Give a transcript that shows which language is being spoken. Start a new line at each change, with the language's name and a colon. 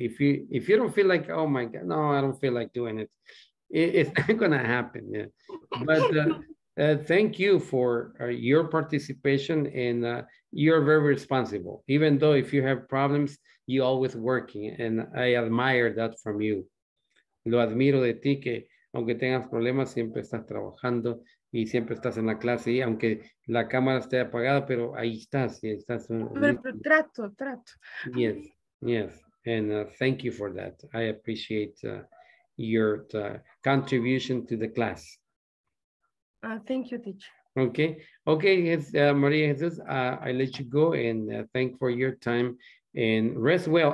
English: If you don't feel like, oh my God, no, I don't feel like doing it. It's not going to happen. Yeah. But thank you for your participation and you're very responsible. Even though if you have problems, you're always working. And I admire that from you.
Spanish: Lo admiro de ti que aunque tengas problemas, siempre estás trabajando y siempre estás en la clase. Y aunque la cámara esté apagada, pero ahí estás. Pero trato.
English: Yes. And thank you for that. I appreciate your contribution to the class. Thank you, teacher. Okay. Okay, Maria Jesus, I let you go and thank for your time and rest well.